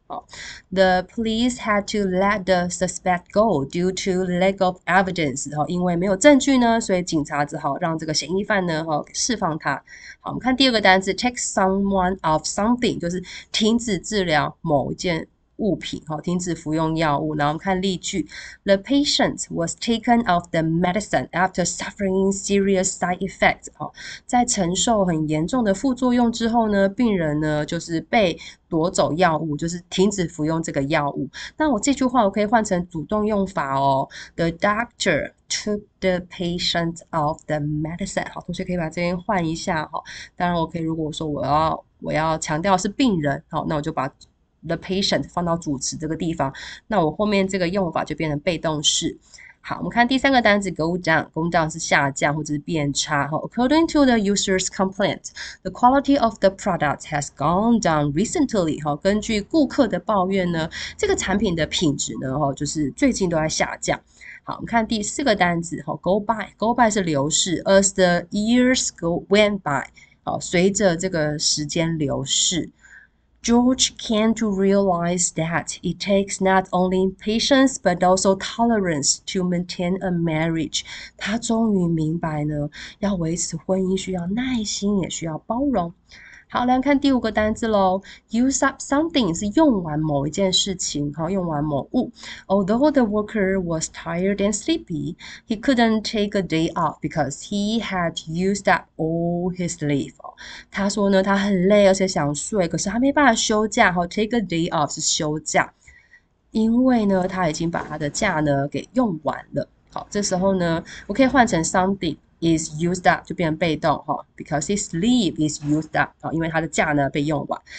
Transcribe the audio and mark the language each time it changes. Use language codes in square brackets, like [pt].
[en] 哦，The police had to let the suspect go due to lack of evidence。 [zh] 哦，因为没有证据呢，所以警察只好让这个嫌疑犯呢，哦，释放他。好，我们看第二个单词， [en] take someone off something [zh] 就是停止治疗某件物品，哦，停止服用药物。然后我们看例句， [en] The patient was taken off the medicine after suffering serious side effects。 [zh] 哦，在承受很严重的副作用之后呢，病人呢就是被夺走药物，就是停止服用这个药物。那我这句话我可以换成主动用法哦， [en] The doctor took the patient off the medicine。 [zh] 好，同学可以把这边换一下哈。当然，我可以如果说我要强调是病人，好，那我就把The patient 放到主词这个地方，那我后面这个用法就变成被动式。好，我们看第三个单词 go down，go down 是下降或者是变差。 [en] 哈，according to the user's complaint，the quality of the product has gone down recently。 [zh] 哈，根据顾客的抱怨呢，这个产品的品质呢，哈，就是最近都在下降。好，我们看第四个单词，哈，go by 是流逝， [en] as the years go went by， [zh] 好，随着这个时间流逝。 [en] George came to realize that it takes not only patience but also tolerance to maintain a marriage。 [zh] 他终于明白呢，要维持婚姻需要耐心，也需要包容。好，来看第五个单字喽。 [en] Use up something [zh] 是用完某一件事情，好，用完某物。 [en] Although the worker was tired and sleepy, he couldn't take a day off because he had used up all his leave。 [zh] 他说呢，他很累，而且想睡，可是他没办法休假。好，take a day off 是休假，因为呢，他已经把他的假呢给用完了。好，这时候呢，我可以换成 something。 [en] is used up [zh] 就变成被动哈， [en] because his leave is used up [zh] 啊，因为他的假呢被用完。